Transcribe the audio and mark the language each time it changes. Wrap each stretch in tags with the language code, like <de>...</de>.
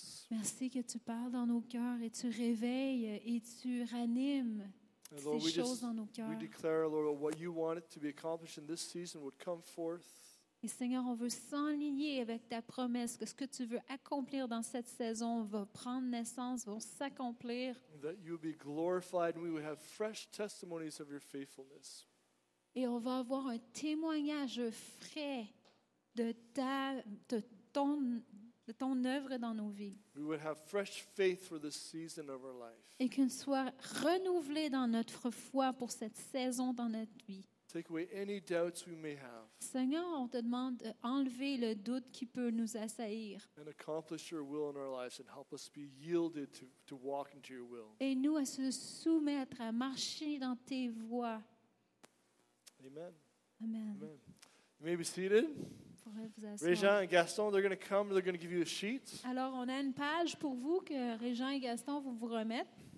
<fr>Merci que tu parles dans nos cœurs et tu réveilles et tu ranimes ces choses dans nos cœurs.</fr> <en>We declare, Lord, what you wanted to be accomplished in this season would come forth.</en> <fr>Et Seigneur, on veut s'enligner avec ta promesse que ce que tu veux accomplir dans cette saison va prendre naissance, va s'accomplir.</fr> <en>That you be glorified and we will have fresh testimonies of your faithfulness.</en> <fr>Et on va avoir un témoignage frais de ta, de ton œuvre dans nos vies.</fr> <en>We will have fresh faith for this season of our life.</en> <fr>Et qu'une soit renouvelée dans notre foi pour cette saison dans notre vie.</fr> <en>Take away any doubts we may have.</en> <fr>Seigneur, on te demande d'enlever le doute qui peut nous assaillir.</fr> <en>And accomplish your will in our lives and help us be yielded to walk into your will.</en> <fr>Et nous à se soumettre à marcher dans tes voies. Amen. Amen. Amen.</fr> <en>You may be seated. Réjean et Gaston, they're going to come. They're going to give you a sheet.</en> <fr>Alors, on a une page pour vous que Réjean et Gaston vont vous remettre.</fr>